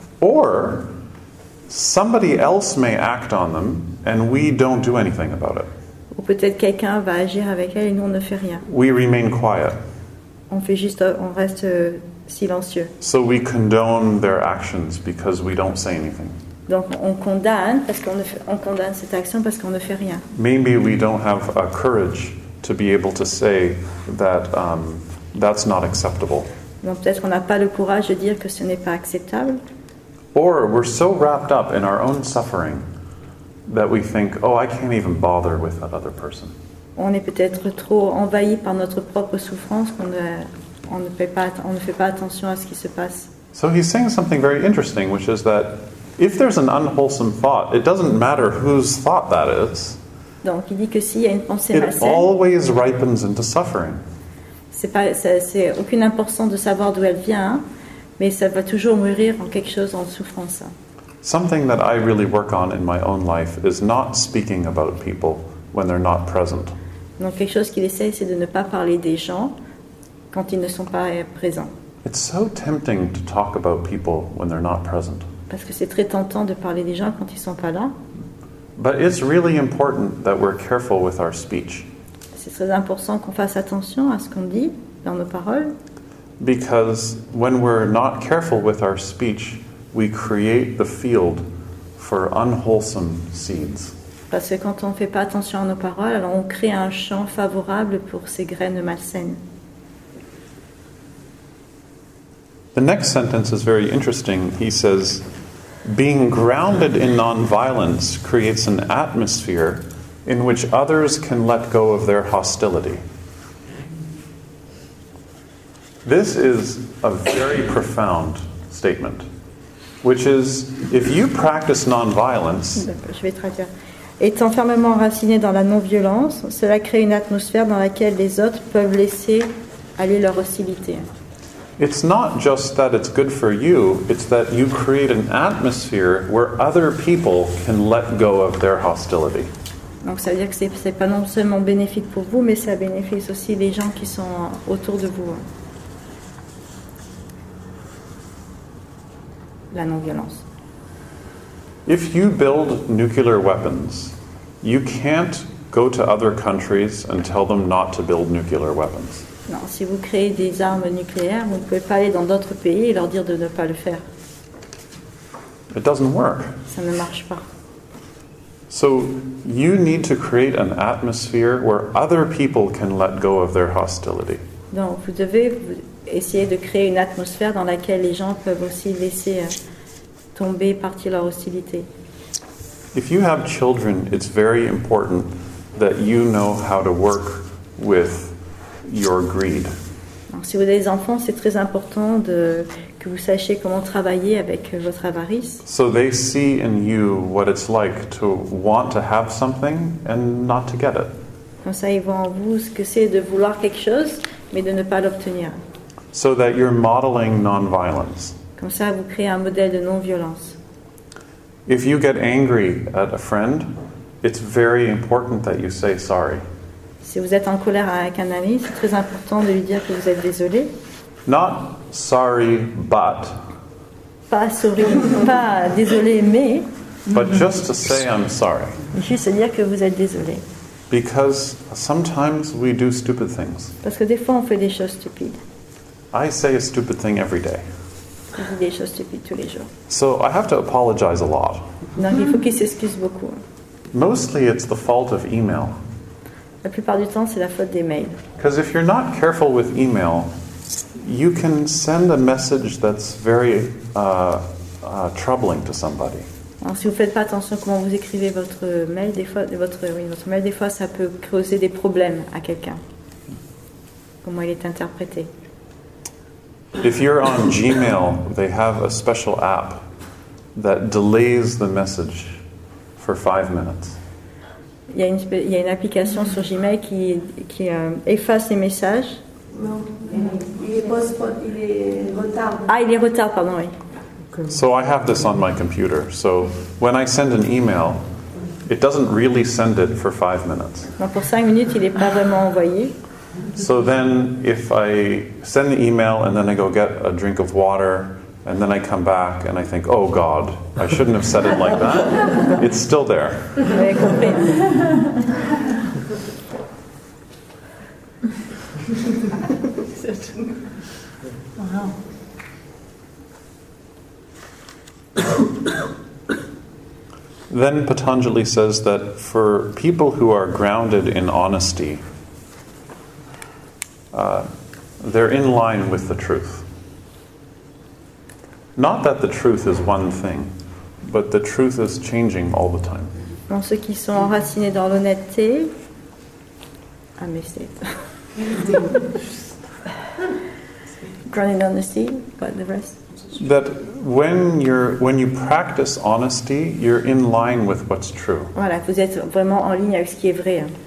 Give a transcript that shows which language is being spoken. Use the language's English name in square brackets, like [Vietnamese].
[English] Or somebody else may act on them and we don't do anything about it. [French] Ou peut-être quelqu'un va agir avec elle et nous on ne fait rien. [English] We remain quiet. [French] On reste silencieux. [English] So we condone their actions because we don't say anything. [French] Donc on condamne cette action parce qu'on ne fait rien. [English] Maybe we don't have a courage to be able to say that that's not acceptable. [French] Donc peut-être qu'on n'a pas le courage de dire que ce n'est pas acceptable. [English] Or we're so wrapped up in our own suffering that we think, oh, I can't even bother with that other person. [French] On est peut-être trop envahi par notre propre souffrance qu'on ne fait pas attention à ce qui se passe. [English] So he's saying something very interesting, which is that if there's an unwholesome thought, it doesn't matter whose thought that is. [French] Donc il dit que s'il y a une pensée malsaine, [English] it always ripens into suffering. [French] C'est aucune importance de savoir d'où elle vient. Mais ça va toujours mûrir en quelque chose en souffrance. [English] Something that I really work on in my own life is not speaking about people when they're not present. [French] Donc quelque chose qu'il essaie, c'est de ne pas parler des gens quand ils ne sont pas présents. [English] It's so tempting to talk about people when they're not present. [French] Parce que c'est très tentant de parler des gens quand ils sont pas là. [English] But it's really important that we're careful with our speech. [French] C'est très important qu'on fasse attention à ce qu'on dit dans nos paroles. [English] Because when we're not careful with our speech, we create the field for unwholesome seeds. [French] Parce que quand on ne fait pas attention à nos paroles, alors on crée un champ favorable pour ces graines malsaines. [English] The next sentence is very interesting. He says, being grounded in non-violence creates an atmosphere in which others can let go of their hostility. This is a very profound statement, which is, if you practice non-violence, [French] je vais traduire. Étant fermement enraciné dans la non-violence, cela crée une atmosphère dans laquelle les autres peuvent laisser aller leur hostilité. [English] It's not just that it's good for you, it's that you create an atmosphere where other people can let go of their hostility. [French] Donc ça veut dire que c'est pas non seulement bénéfique pour vous, mais ça bénéficie aussi les gens qui sont autour de vous. La non-violence. [English] If you build nuclear weapons, you can't go to other countries and tell them not to build nuclear weapons. [French] Non, si vous créez des armes nucléaires, vous ne pouvez pas aller dans d'autres pays et leur dire de ne pas le faire. [English] It doesn't work. [French] Ça ne marche pas. [English] So you need to create an atmosphere where other people can let go of their hostility. [French] Donc vous devez essayer de créer une atmosphère dans laquelle les gens peuvent aussi laisser tomber partie leur hostilité. [English] If you have children, it's very important that you know how to work with your greed. [French] Donc, si vous avez des enfants, c'est très important de, que vous sachiez comment travailler avec votre avarice. [English] So they see in you what it's like to want to have something and not to get it. [French] Comme ça, ils voient en vous ce que c'est de vouloir quelque chose, mais de ne pas l'obtenir. [English] So that you're modeling non-violence. [French] Comme ça, vous créez un modèle de non-violence. [English] If you get angry at a friend, it's very important that you say sorry. [French] Si vous êtes en colère avec un ami, c'est très important de lui dire que vous êtes désolé. [English] Not sorry, but. [French] Pas sorry, pas désolé, mais. [English] But just to say I'm sorry. [French] Juste dire que vous êtes désolé. [English] Because sometimes we do stupid things. [French] Parce que des fois on fait des choses stupides. [English] I say a stupid thing every day. [French] Je dis des choses stupides tous les jours. [English] So I have to apologize a lot. [French] Non, il faut qu'il s'excuse beaucoup. [English] Mostly it's the fault of email. [French] La plupart du temps, c'est la faute des mails. [English] Because if you're not careful with email, you can send a message that's very troubling to somebody. [French] Alors, si vous faites pas attention à comment vous écrivez votre mail, des fois, votre mail, des fois, ça peut causer des problèmes à quelqu'un. Comment il est interprété? [English] If you're on Gmail, they have a special app that delays the message for 5 minutes. [French] Il y a une application sur Gmail qui efface les messages. Non, il est retard. Ah, il est retard, pardon, oui. [English] So I have this on my computer. So when I send an email, it doesn't really send it for 5 minutes. [French] Donc pour 5 minutes, il n'est pas vraiment envoyé. [English] So then if I send the email and then I go get a drink of water and then I come back and I think, oh God, I shouldn't have said it like that. It's still there. Then Patanjali says that for people who are grounded in honesty, they're in line with the truth. Not that the truth is one thing, but the truth is changing all the time. [French] Donc ceux qui sont enracinés dans l'honnêteté, [English] grounded in honesty, but the rest. That when you practice honesty, you're in line with what's true. [French] Voilà, vous êtes vraiment en ligne avec ce qui est vrai.